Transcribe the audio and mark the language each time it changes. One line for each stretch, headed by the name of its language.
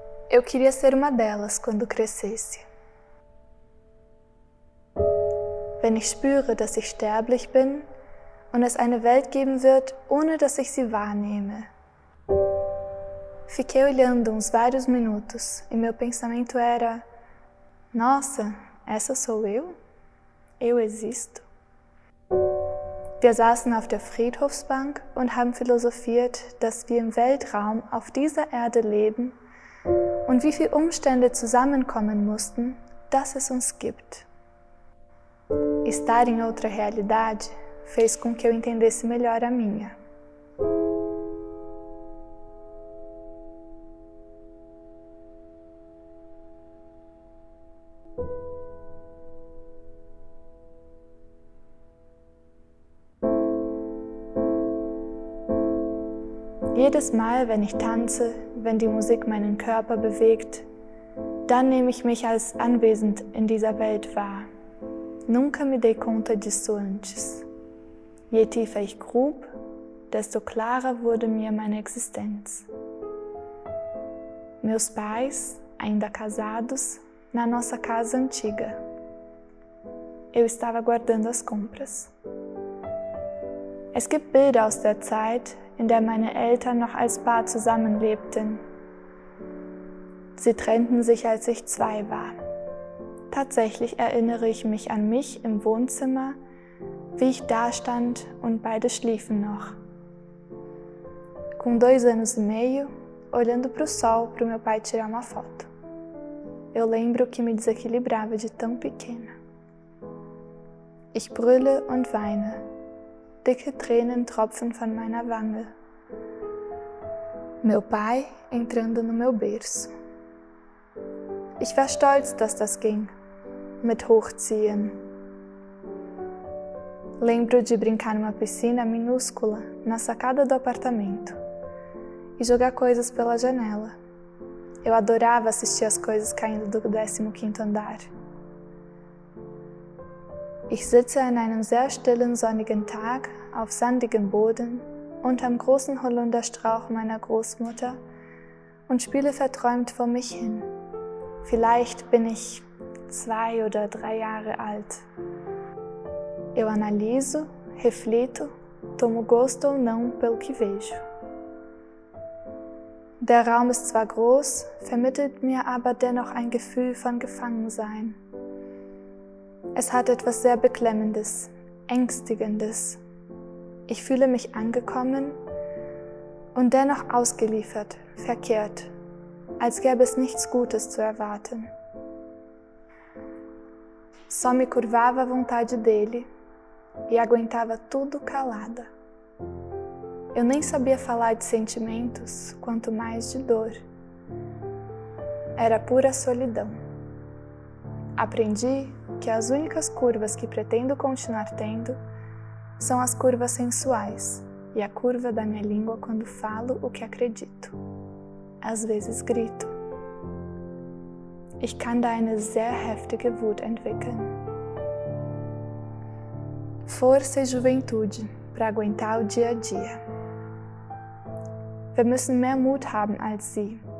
Portuguese: Eu queria ser uma delas quando crescesse.
German: Wenn ich spüre, dass ich sterblich bin und es eine Welt geben wird, ohne dass ich sie wahrnehme.
Portuguese: Fiquei olhando uns vários minutos e meu pensamento era: Nossa, essa sou eu? Eu existo?
German: Wir saßen auf der Friedhofsbank und haben philosophiert, dass wir im Weltraum auf dieser Erde leben und wie viele Umstände zusammenkommen mussten, dass es uns gibt.
Portuguese: Estar em outra realidade fez com que eu entendesse melhor a minha.
German: Jedes Mal, wenn ich tanze, wenn die Musik meinen Körper bewegt, dann nehme ich mich als anwesend in dieser Welt wahr.
Portuguese: Nunca me dei conta disso antes.
German: Je tiefer ich grub, desto klarer wurde mir meine Existenz.
Portuguese: Meus pais, ainda casados, na nossa casa antiga. Eu estava guardando as compras.
German: Es gibt Bilder aus der Zeit, in der meine Eltern noch als Paar zusammenlebten. Sie trennten sich, als ich zwei war. Tatsächlich erinnere ich mich an mich im Wohnzimmer, wie ich dastand und beide schliefen noch.
Portuguese: Com 2 anos e meio, olhando pro sol pro meu pai tirar uma foto. Eu lembro que me desequilibrava de tão pequena.
German: Ich brülle und weine. Dicke Tränen tropfen von meiner Wange.
Portuguese: Meu pai entrando no meu berço.
German: Ich war stolz, dass das ging. Mit hochziehen.
Portuguese: Lembro de brincar numa piscina minúscula na sacada do apartamento e jogar coisas pela janela. Eu adorava assistir as coisas caindo do 15º andar.
German: Ich sitze an einem sehr stillen sonnigen Tag auf sandigem Boden unterm großen Holunderstrauch meiner Großmutter und spiele verträumt vor mich hin. Vielleicht bin ich 2 oder 3 Jahre alt.
Portuguese: Eu analiso, reflito, tomo gosto ou não pelo que vejo.
German: Der Raum ist zwar groß, vermittelt mir aber dennoch ein Gefühl von Gefangensein. Es hat etwas sehr Beklemmendes, Ängstigendes. Ich fühle mich angekommen und dennoch ausgeliefert, verkehrt, als gäbe es nichts Gutes zu erwarten.
Portuguese: Só me curvava à vontade dele e aguentava tudo calada. Eu nem sabia falar de sentimentos, quanto mais de dor. Era pura solidão. Aprendi que as únicas curvas que pretendo continuar tendo são as curvas sensuais e a curva da minha língua quando falo o que acredito. Às vezes grito.
German: Ich kann da eine sehr heftige Wut entwickeln.
Portuguese: Força e juventude para aguentar o dia a dia.
German: Wir müssen mehr Mut haben als sie.